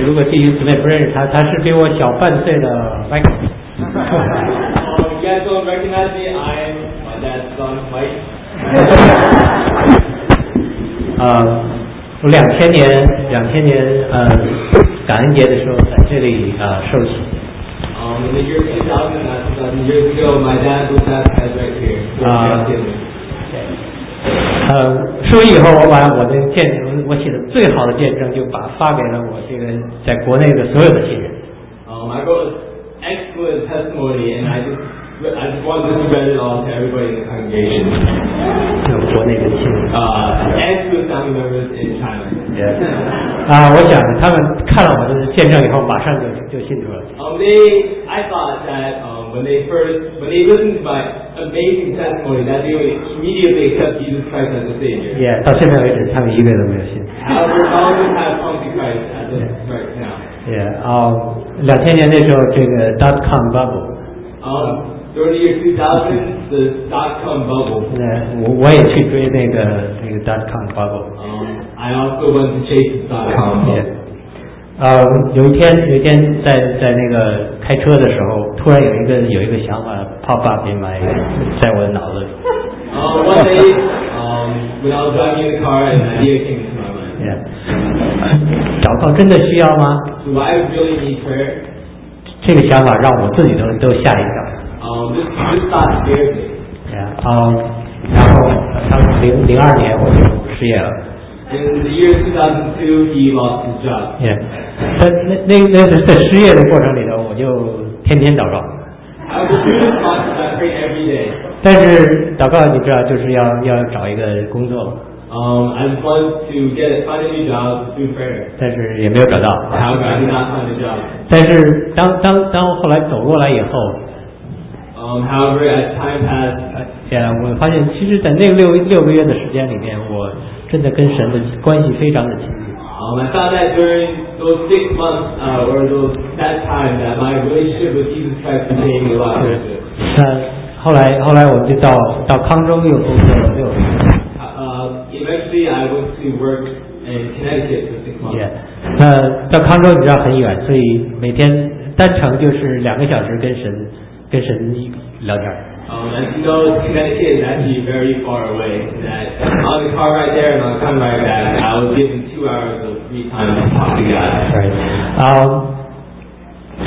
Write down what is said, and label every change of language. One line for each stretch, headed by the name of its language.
Chinese: 弟兄姊妹不认识他，他是比我小半岁的 Mike。
English: You guys don't recognize me, I'm my dad's son, Mike。
Chinese: 我两千年感恩节的时候在这里受洗。
English: In the year 2000, that's 11 years ago, my dad was baptized right here. Okay.
Chinese: 受洗以后，我把我的见证，我写的最好的见证，就把发给了我这个在国内的所有的亲人。
English: I wrote excellent testimony, and I just wanted to read it all to everybody in the congregation.
Chinese: 就国内的亲人。
English: Excellent family members in China. Yes.
Chinese: 我想他们看了我的见证以后，马上就信主了。
English: I thought that when they listened to my amazing testimony, that they would immediately accept Jesus Christ as the Savior.
Chinese: Yeah, 到现在为止，他们一个都没有信。
English: However, all of them have come to Christ as of right now.
Chinese: Yeah. 2000年那时候，这个 .com bubble.
English: During the year 2000, the .com bubble.
Chinese: Yeah, 我也去追那个 .com bubble.
English: I also went to chase the .com bubble.
Chinese: Yeah. 有一天在那个开车的时候，突然有一个想法
English: pop up in my
Chinese: 在我的脑子里。
English: One day, when I was driving in the car, an idea came to my mind.
Chinese: Yeah. 祷告真的需要吗
English: ？Do I really need prayer?
Chinese: 这个想法让我自己都吓一跳。
English: This thought scared me.
Chinese: Yeah. 然后到2002年我就失业了。
English: In the year 2002, he lost his job. Yeah.
Chinese: 那在失业的过程里头，我就天天祷告。
English: I was doing this process, I pray every day.
Chinese: 但是祷告你知道就是要找一个工作。
English: I just wanted to find a new job through prayer.
Chinese: 但是也没有找到。
English: However, I did not find a job.
Chinese: 但是当后来走过来以后。
English: However, as time passed.
Chinese: Yeah, 我发现其实在那六个月的时间里面，我真的跟神的关系非常的亲近。
English: I thought that during those 6 months, or those that time, that my relationship with Jesus Christ became a lot closer.
Chinese: 后来我就到康州又工作了六个月。
English: Eventually, I went to work in Connecticut for 6 months.
Chinese: Yeah, 到康州你知道很远，所以每天单程就是2个小时跟神聊天。
English: As you know, Connecticut is actually very far away. That on the car right there and on the car right back, I was given 2 hours of free time to talk to God.